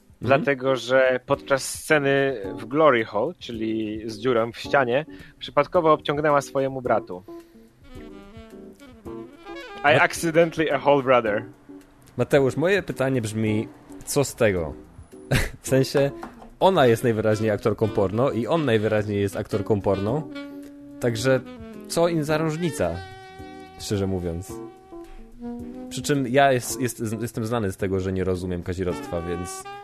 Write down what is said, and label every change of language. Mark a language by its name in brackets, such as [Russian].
[Polish] Dlatego, że podczas sceny w Glory Hole, czyli z dziurą w ścianie, przypadkowo obciągnęła swojemu bratu. [English] I accidentally a whole brother. [Polish] Mateusz, moje pytanie brzmi, co z tego? W sensie, ona jest najwyraźniej aktorką porno i on najwyraźniej jest aktorką porno. Także, co im za różnica? Szczerze mówiąc. Przy czym ja jestem znany z tego, że nie rozumiem kazirodztwa, więc...